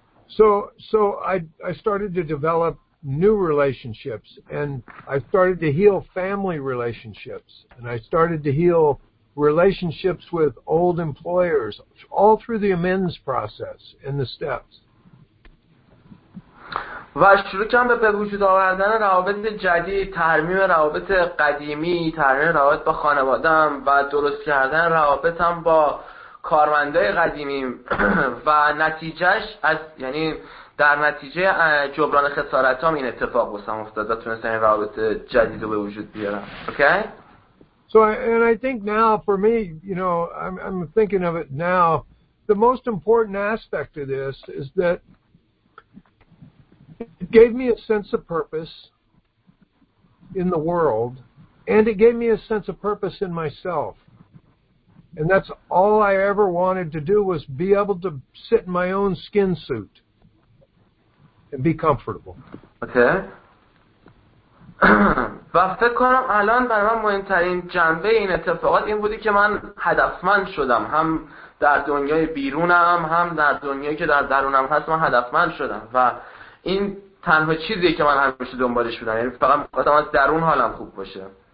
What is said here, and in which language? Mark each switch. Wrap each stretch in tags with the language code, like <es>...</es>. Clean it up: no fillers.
<en>So I started to develop new relationships and I started to heal family relationships and I started to heal relationships with old employers all through the amends process and the steps.</en> <fa>و شروع کردم به وجود آوردن روابط جدید، ترمیم روابط قدیمی، ترمیم روابط با خانواده‌ام و درست کردن روابطم با کارمندای قدیمی و نتیجهش از یعنی در نتیجه جبران خسارتام این اتفاق واسم افتاد و تونستم این روابط جدید رو به وجود بیارم.</fa> <en>Okay? So I think now for me, you know, I'm thinking of it now, the most important aspect of this is that it gave me a sense of purpose in the world and it gave me a sense of purpose in myself. And that's all I ever wanted to do was be able to sit in my own skin suit and be comfortable. Okay. و فکر کنم الان برای من مهمترین جنبه این اتفاقات این بودی که من هدفمند شدم، هم در دنیای بیرونم هم در دنیایی که در درونم هست من هدفمند شدم و این تنها چیزیه که من همیشه دنبالش بودم، یعنی فقط می‌خواستم از درون حالم خوب باشه.</en>